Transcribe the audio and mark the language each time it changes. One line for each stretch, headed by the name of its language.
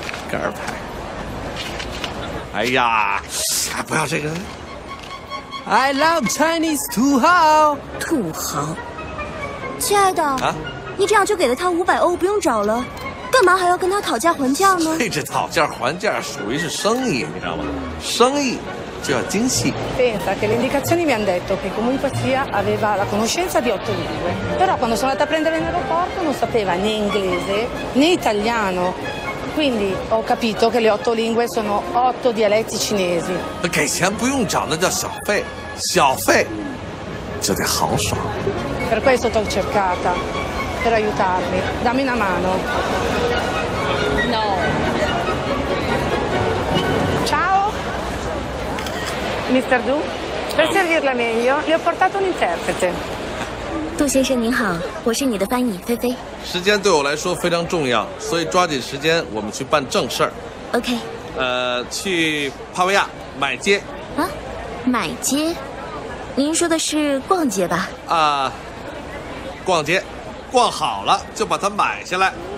Chinese: 干儿牌。哎呀。哎，不要这个。
English: I love Chinese 土豪。
Chinese: 土豪。亲爱的，啊，你这样就给了他500欧，不用找了，干嘛还要跟他讨价还价呢？这讨价还价属于是生意，你知道吗？生意就要精细。
Italian: Pensa che le indicazioni mi han detto che comunque sia aveva la conoscenza di 8 lingue, però quando sono andata a prendere in aeroporto non sapeva né inglese né italiano, quindi ho capito che le 8 lingue sono 8 dialetti cinesi.
Chinese: 给钱不用找，那叫小费，小费就得豪爽。
Italian: Per questo t'ho cercata per aiutarmi, dammi una mano. No.
English: Mr.
Italian: Du, per servirla meglio, le ho portato un interprete.
Chinese: 杜先生您好，我是你的翻译菲菲。时间对我来说非常重要，所以抓紧时间，我们去办正事。
English: OK。
Chinese: 去帕维亚买街。啊，买街？您说的是逛街吧？啊，逛街，逛好了就把它买下来。